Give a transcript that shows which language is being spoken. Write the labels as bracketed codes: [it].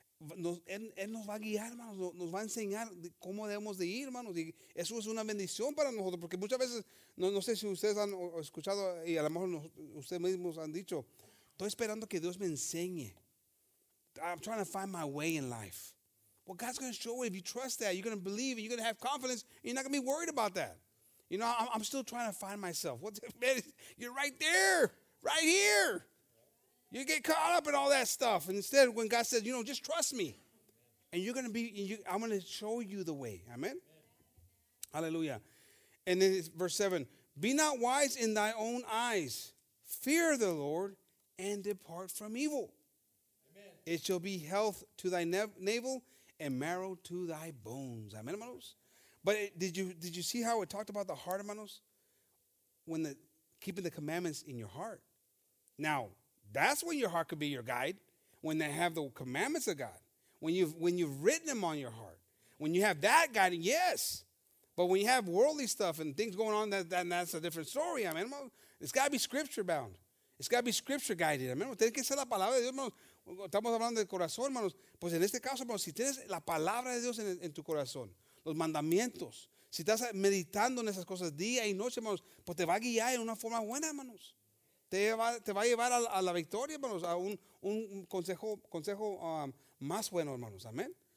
[es] Él nos va a guiar, hermanos, nos va a enseñar cómo debemos de ir, hermanos. Y eso es una bendición para nosotros, porque muchas veces, no sé si ustedes han escuchado y a lo mejor ustedes mismos han dicho, estoy esperando que Dios me enseñe. [en] I'm trying to find my way in life. Well, God's going to show you, if you trust that, you're going to believe and you're going to have confidence, and you're not going to be worried about that. You know, I'm still trying to find myself. Man, you're right there, right here. You get caught up in all that stuff. And instead, when God says, you know, just trust me, and you're going to be, I'm going to show you the way. Amen? Yeah. Hallelujah. And then it's verse 7, be not wise in thy own eyes. Fear the Lord and depart from evil. Amen. It shall be health to thy navel and marrow to thy bones. Amen, hermanos? But did you see how it talked about the heart, hermanos? Keeping the commandments in your heart. Now, that's when your heart could be your guide, when they have the commandments of God. When you've written them on your heart. When you have that guiding, yes. But when you have worldly stuff and things going on, that's a different story. I mean, it's got to be scripture bound. It's got to be scripture guided. I mean, [es] tiene que ser la palabra de Dios, hermanos. Estamos hablando del corazón, hermanos. Pues en este caso, hermanos, si tienes la palabra de Dios en tu corazón, los mandamientos, si estás meditando en esas cosas día y noche, hermanos, pues te va a guiar en una forma buena, hermanos. Te va a llevar a la victoria, hermanos, a un consejo más bueno, hermanos. Amén.